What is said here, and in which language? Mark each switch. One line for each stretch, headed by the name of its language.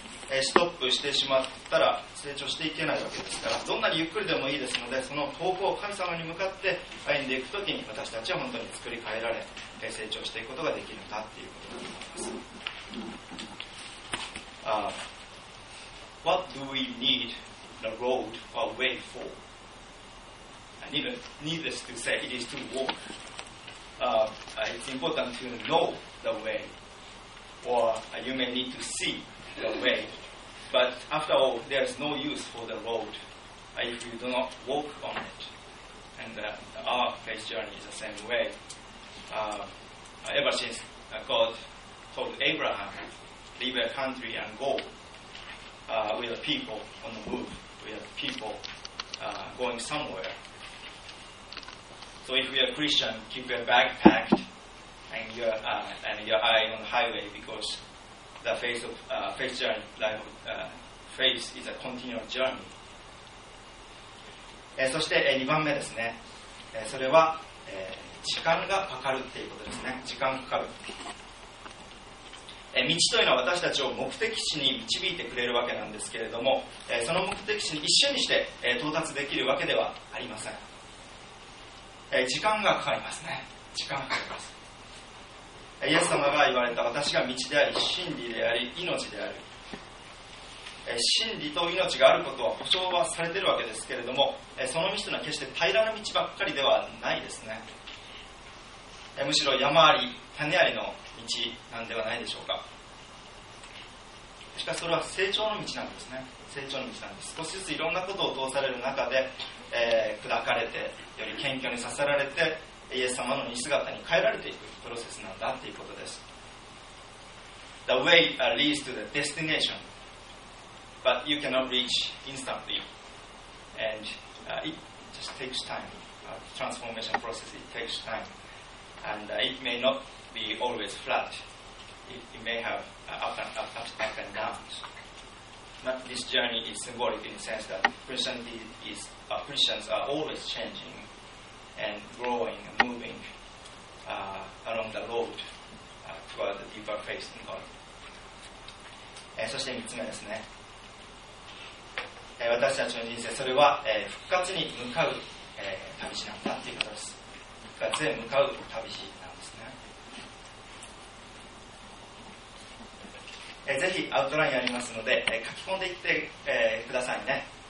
Japanese: ストップしてしまったら成長していけないわけですから、どんなにゆっくりでもいいですので、その方向を神様に向かって歩んでいくときに、私たちは本当に作り変えられ成長していくことができるんだということだと思います。
English: What do we need the road or way for? Needless to say, it is to walk. It's important to know the way, or you may need to see the way. But after all, there is no use for the road if you do not walk on it. And our faith journey is the same way. Ever since God told Abraham, leave your country and go, with the people on the move, with the people going somewhere. So if you're a Christian, keep your bag packed and your eye on the highway, because the faith is a continual journey.
Japanese: そして2番目ですね。それは時間がかかるっていうことですね。時間かかる。道というのは私たちを目的地に導いてくれるわけなんですけれども、その目的地に一瞬にして到達できるわけではありません。時間がかかりますね。時間がかかります。イエス様が言われた、私が道であり真理であり命である。真理と命があることは保証はされているわけですけれども、その道というのは決して平らな道ばっかりではないですね。むしろ山あり谷ありの道なんではないでしょうか。しかしそれは成長の道なんですね。成長の道なんです。少しずついろんなことを通される中で、砕かれて、より謙虚にさせられて、イエス様の似姿に変えられていくプロセスなんだということです。
English: The way leads to the destination, but you cannot reach instantly, and it just takes time. Transformation process, it takes time, and it may notbe always flat. It may have up and downs. But this journey is symbolic in the sense that Christians are always changing and growing and moving along the road toward the deeper faith in God.
Japanese: そして3つ目ですね。私たちの人生、それは復活に向かう旅路なんだということです。復活へ向かう旅路。ぜひアウトラインありますので書き込んでいってくださいね。